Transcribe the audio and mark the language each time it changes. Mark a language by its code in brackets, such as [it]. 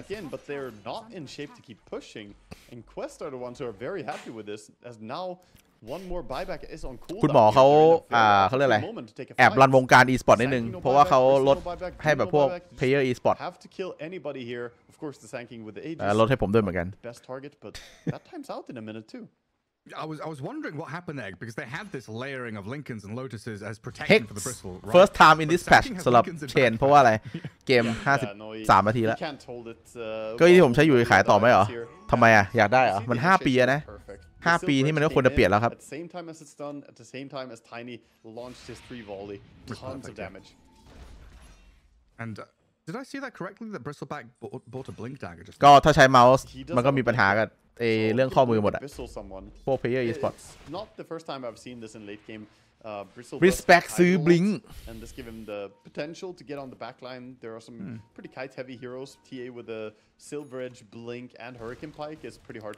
[en] But they're not in shape to keep pushing. And Quest are the ones who are very happy with this, as now one more buyback is on cooldown. [th] คุณหมอเขาเรียกอะไรแอบรันวงการ e-sport นิดนึงเพราะว่าเขาลดให้แบบพวก player e-sport. [en] Have to kill anybody here. Of course, the tanking with the Aegis. [th] ลดให้ผมด้วยเหมือนกัน [en] Best target, but that time's out in a minute too. I was wondering what happened there because they had this layering of Lincolns and Lotuses as protection for the bristle. Right? First time in this patch [th] สำหรับเชนเพราะว่าอะไรเกม53นาทีแล้วก็ที่ผมใช้อยู่ขายต่อไหมเหรอทำไมอ่ะอยากได้เหรอมัน5ปีนะ5ปีที่มันก็ควรจะเปลี่ยนแล้วครับ [en] Same time as it's done at the same time as Tiny launched his three volley tons of damage. And did I see that correctly that Bristleback bought a blink dagger just [th] ก็ถ้าใช้เมาส์มันก็มีปัญหากันเรื่องข้อมือหมดอะพวก player e-sports [en] not the first time I've seen this in late game [th] respect ซื้อ blink [en] and this give him the potential to get on the back line there are some pretty kite heavy heroes TA with a silver edge blink and hurricane pike is pretty hard